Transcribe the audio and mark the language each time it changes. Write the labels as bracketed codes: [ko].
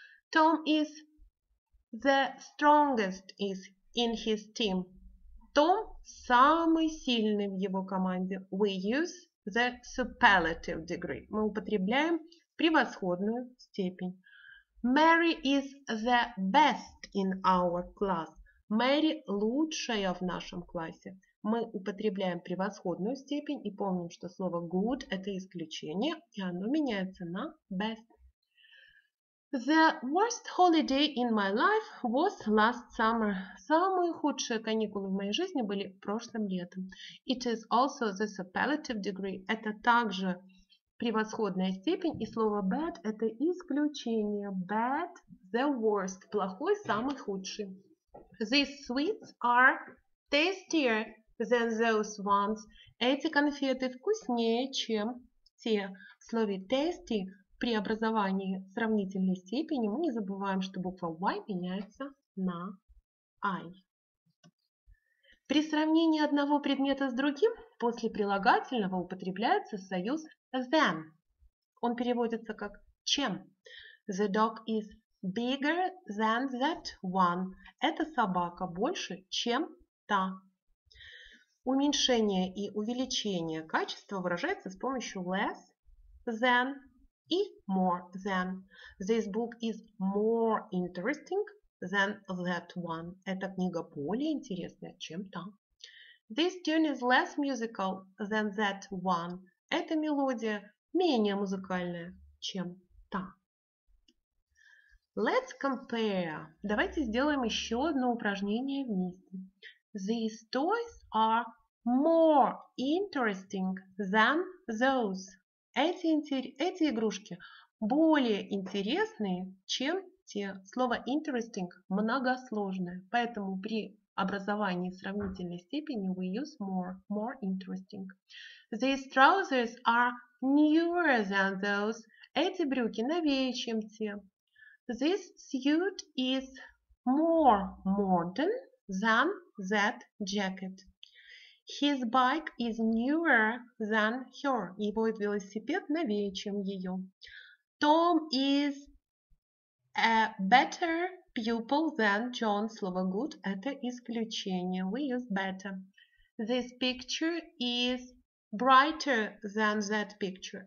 [en] Tom is the strongest is in his team. [ru] Том самый сильный в его команде. [en] We use the superlative degree. [ru] Мы употребляем превосходную степень. [en] Mary is the best in our class. [ru] Мэри лучшая в нашем классе. Мы употребляем превосходную степень и помним, что слово good это исключение, и оно меняется на best. [en] The worst holiday in my life was last summer. [ru] Самые худшие каникулы в моей жизни были прошлым летом. [en] It is also the superlative degree. [ru] Это также превосходная степень. И слово bad – это исключение. [en] Bad – the worst. [ru] Плохой – самый худший. [en] These sweets are tastier than those ones. [ru] Эти конфеты вкуснее, чем те. В слове tasty – при образовании сравнительной степени мы не забываем, что буква Y меняется на I. При сравнении одного предмета с другим после прилагательного употребляется союз than. Он переводится как чем. [en] The dog is bigger than that one. [ru] Эта собака больше, чем та. Уменьшение и увеличение качества выражается с помощью less than и more than. [en] This book is more interesting than that one. [ru] Эта книга более интересная, чем та. [en] This tune is less musical than that one. [ru] Эта мелодия менее музыкальная, чем та. [en] Let's compare. [ru] Давайте сделаем еще одно упражнение вместе. [en] These toys are more interesting than those. [ru] Эти игрушки более интересные, чем те. Слово interesting – многосложное. Поэтому при образовании сравнительной степени [en] we use more. More interesting. These trousers are newer than those. [ru] Эти брюки новее, чем те. [en] This suit is more modern than that jacket. His bike is newer than her. [ru] Его велосипед новее, чем ее. [en] Tom is a better pupil than John. [ru] Слово good – это исключение. [en] We use better. This picture is brighter than that picture.